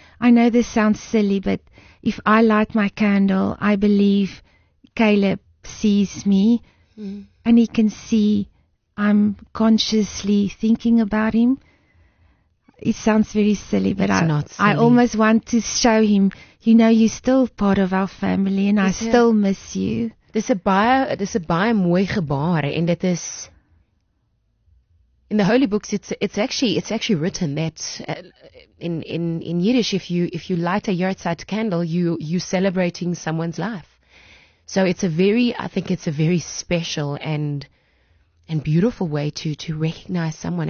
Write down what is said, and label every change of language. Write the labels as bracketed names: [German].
[English] I know this sounds silly, but if I light my candle, I believe Caleb sees me, and he can see I'm consciously thinking about him. It sounds very silly, but I almost want to show him, you know, you're still part of our family, and I still miss you. [Afrikaans] Dis 'n baie mooi gebaar, en dit is... [English] In the holy books, it's actually written that in Yiddish, if you light a yahrzeit candle, you're celebrating someone's life. So I think it's a very special and beautiful way to recognize someone.